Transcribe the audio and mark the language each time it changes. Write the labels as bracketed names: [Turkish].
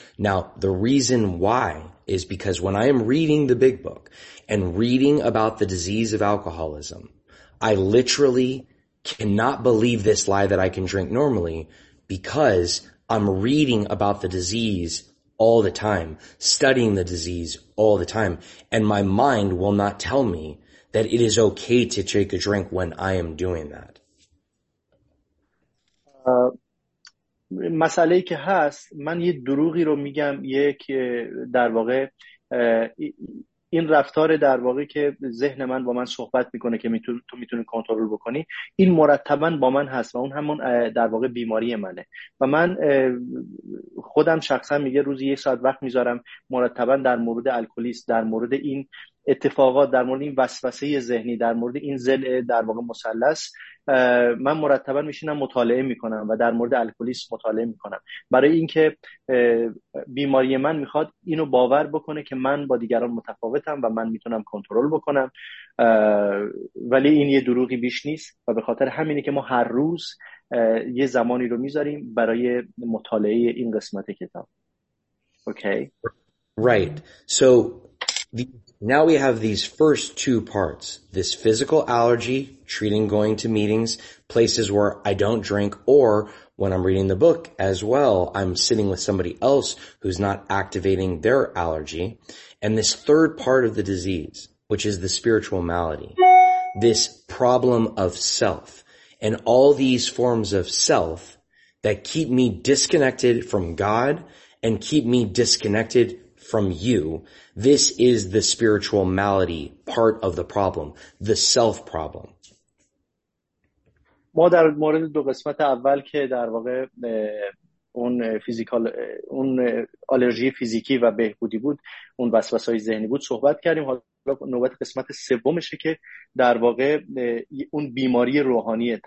[English] Now, the reason why is because when I am reading the big book and reading about the disease of alcoholism, I literally cannot believe this lie that I can drink normally because I'm reading about the disease all the time, studying the disease all the time, and my mind will not tell me that it is okay to take a drink when I am doing that. [Persian] مسئله‌ای که هست، من یه دروغی رو میگم، یک در واقع این رفتار در واقع که ذهن من با من صحبت میکنه که تو میتونی کنترل بکنی، این مرتبا با من هست و اون همون در واقع بیماری منه و من خودم شخصا میگه روزی یک ساعت وقت میذارم مرتبا در مورد الکلیسم، در مورد این اتفاقات، در مورد این وسوسه ذهنی، در مورد این زل در واقع مثلث، من مرتبا میشینم مطالعه میکنم و در مورد الکلیسم مطالعه میکنم، برای اینکه بیماری من میخواد اینو باور بکنه که من با دیگران متفاوتم و من میتونم کنترل بکنم، ولی این یه دروغی بیش نیست و به خاطر همینه که ما هر روز یه زمانی رو میذاریم برای مطالعه این قسمت کتاب. [English] Okay. Right. So now we have these first two parts, this physical allergy, treating going to meetings, places where I don't drink, or when I'm reading the book as well, I'm sitting with somebody else who's not activating their allergy. And this third part of the disease, which is the spiritual malady, this problem of self, and all these forms of self that keep me disconnected from God and keep me disconnected from you, this is the spiritual malady part of the problem, the self problem. [Persian] ما در مورد دو قسمت اول که در واقع اون فیزیکال، اون آلرژی فیزیکی و بهبودی بود، اون وسوسه‌های ذهنی بود صحبت کردیم، حالا نوبت قسمت سومشه که در واقع اون بیماری روحانیه.